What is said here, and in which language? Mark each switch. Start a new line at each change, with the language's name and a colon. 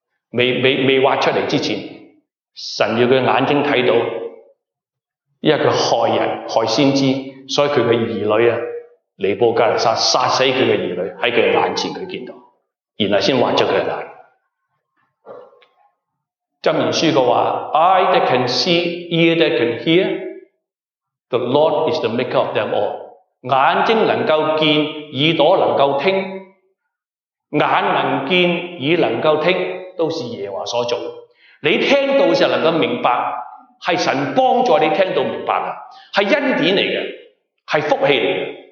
Chinese: 未挖出来之前，神要他眼睛看到，因为他害人害先知，所以他的儿女尼布甲尼撒杀死他的儿女，在他眼前他见到，然后才挖出他的眼。箴言书说，
English: Eye that can see, ear that can hear, the Lord is the maker of them all。
Chinese: 眼睛能够见，耳朵能够听，眼能见，耳能够听，都是耶和华所做。你听到就能够明白，是神帮助你听到明白的，是恩典来的，是福气来的。